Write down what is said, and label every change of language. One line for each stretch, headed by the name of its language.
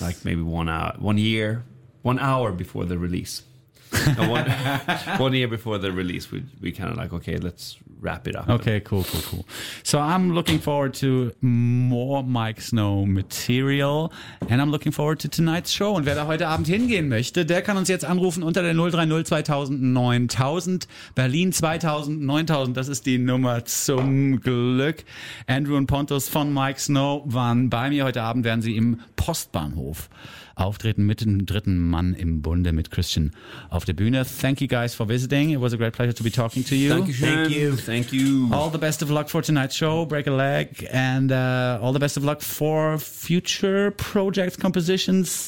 English: like maybe one hour before the release. one year before the release, we kind of like, okay, let's wrap it up. Okay, cool. So I'm looking forward to more Mike Snow material and I'm looking forward to tonight's show.
German: Und wer da heute Abend hingehen möchte, der kann uns jetzt anrufen unter der 030 2000 9000, Berlin 2000 9000. Das ist die Nummer zum Glück. Andrew und Pontus von Mike Snow waren bei mir heute Abend, werden sie im Postbahnhof auftreten mit dem dritten Mann im Bunde, mit Christian auf der Bühne.
English: Thank you guys for visiting. It was a great pleasure to be talking to you. Thank you. All the best of luck for tonight's show, Break a Leg, and all the best of luck for future projects, compositions,